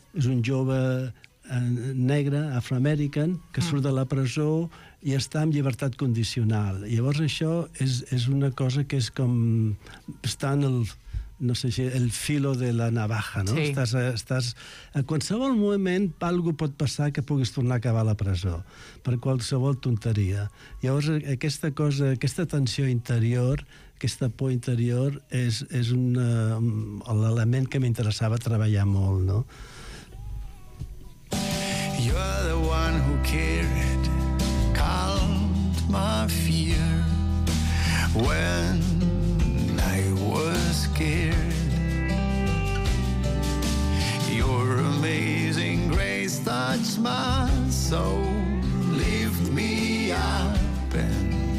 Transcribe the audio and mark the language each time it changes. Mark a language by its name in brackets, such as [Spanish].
[Catalan] És un jove negre, afroamerican, que surt de la presó i està en llibertat condicional. Llavors això és una cosa que és com... està en el... no sé si [Spanish] el filo de la navaja, [Catalan] no? Sí. Estàs a qualsevol moment algú pot passar que puguis tornar a acabar a la presó, per qualsevol tonteria. Llavors, aquesta cosa, aquesta tensió interior, aquesta por interior, és un l'element que m'interessava treballar molt, no? [English] You're the one who carried, calmed my fear. When I was scared, your amazing grace touched my soul, lift me up and